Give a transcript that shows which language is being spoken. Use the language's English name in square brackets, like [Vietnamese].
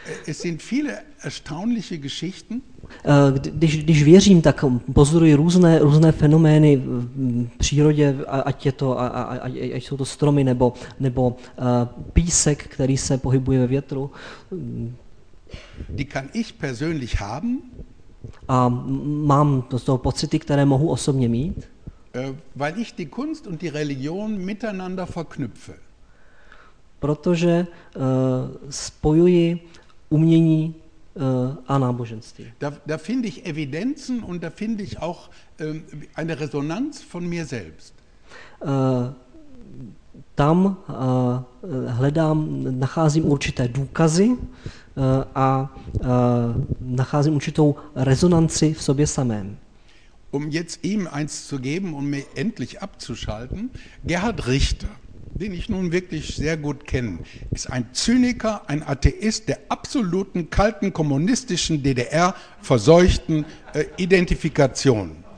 [German] Es sind viele erstaunliche Geschichten. [Czech] Když věřím, tak pozoruji různé fenomény v přírodě, ať jsou to stromy nebo písek, který se pohybuje ve větru. [German] Die kann ich persönlich haben. [Czech] A mám to z toho pocity, které mohu osobně mít. [German] Weil ich die Kunst und die Religion miteinander verknüpfe. [Czech] Protože spojuji umění a náboženství. [German] Da finde ich Evidenzen und da finde ich auch eine Resonanz von mir selbst. [Czech] Tam hledám, nacházím určité důkazy a nacházím určitou rezonanci v sobě samém. [German] Um jetzt ihm eins zu geben und mir endlich abzuschalten, Gerhard Richter. Den ich nun wirklich sehr gut kenne, ist ein Zyniker, ein Atheist der absoluten kalten kommunistischen DDR verseuchten Identifikation.